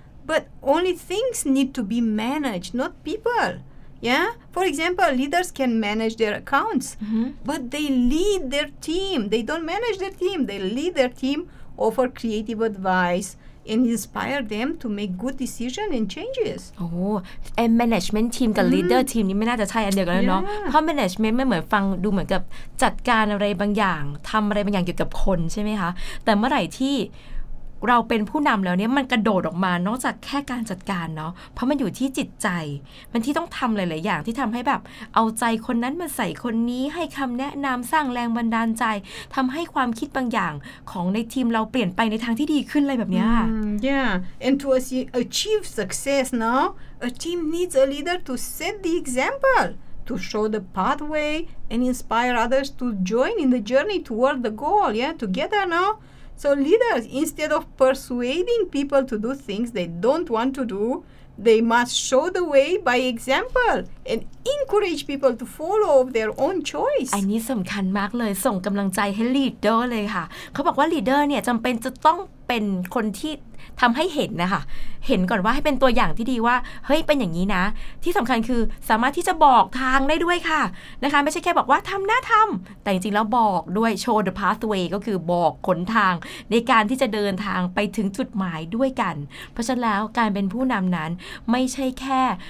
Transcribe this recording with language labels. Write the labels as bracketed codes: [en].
[en] But only things need to be managed, not people. Yeah? For example, leaders can manage their accounts, but they lead their team. They don't manage their team. They lead their team, offer creative advice,and inspire them to make good decisions and changes. Oh, and management team [th] กับ leader team นี่ไม่น่าจะใช่อันเดียวกันแล้วเนาะเพราะ management ไม่เหมือนฟังดูเหมือนกับจัดการอะไรบางอย่างทำอะไรบางอย่างเกี่ยวกับคนใช่ไหมคะแต่เมื่อไหร่ที่ เราเป็นผู้นำแล้วเนี่ยมันกระโดดออกมานอกจากแค่การจัดการเนาะเพราะมันอยู่ที่จิตใจมันที่ต้องทำหลายๆอย่างที่ทำให้แบบเอาใจคนนั้นมาใส่คนนี้ให้คำแนะนำสร้างแรงบันดาลใจทำให้ความคิดบางอย่างของในทีมเราเปลี่ยนไปในทางที่ดีขึ้นอะไรแบบนี้ [en] Yeah and to achieve success now a team needs a leader to set the example to show the pathway and inspire others to join in the journey toward the goal yeah together now. So leaders, instead of persuading people to do things they don't want to do, they must show the way by example and encourage people to follow their own choice. [th] อันนี้สำคัญมากเลยส่งกำลังใจให้ลีดเดอร์เลยค่ะเขาบอกว่าลีดเดอร์เนี่ยจำเป็นจะต้องเป็นคนที่ทำให้เห็นนะคะเห็นก่อนว่าให้เป็นตัวอย่างที่ดีว่าเฮ้ยเป็นอย่างนี้นะที่สำคัญคือสามารถที่จะบอกทางได้ด้วยค่ะนะคะไม่ใช่แค่บอกว่าทำนะทำแต่จริงๆแล้วบอกด้วย [en] show the pathway [th] ก็คือบอกขนทางในการที่จะเดินทางไปถึงจุดหมายด้วยกันเพราะฉะนั้นแล้วการเป็นผู้นำนั้นไม่ใช่แค่